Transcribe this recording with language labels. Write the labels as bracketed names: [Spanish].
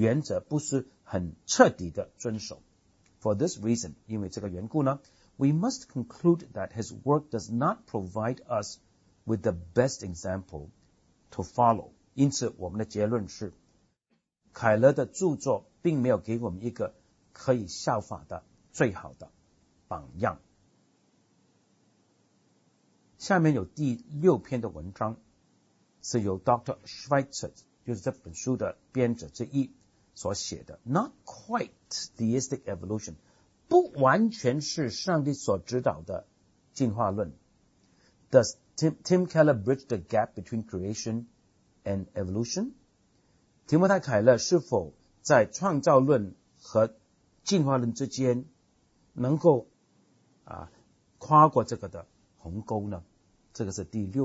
[Chinese] 凯勒对于上面的一些的列出的原则并不是一致的遵守的。凯勒对于上列的原则不是很彻底的遵守。 [English] For this reason, [Chinese] 因为这个缘故呢, [English] we must conclude that his work does not provide us with the best example to follow. [Chinese] 因此我们的结论是, 凯勒的著作并没有给我们一个可以效法的最好的榜样。下面有第六篇的文章, 是由Dr. Schweitzer, 就是这本书的编者之一所写的, [English] Not quite theistic evolution, [Chinese] 不完全是上帝所指导的进化论。 [English] Does Tim Keller bridge the gap between creation and evolution? [Chinese] 提摩太·凯勒是否在创造论和进化论之间能够跨过这个的鸿沟呢? 这个是第六篇。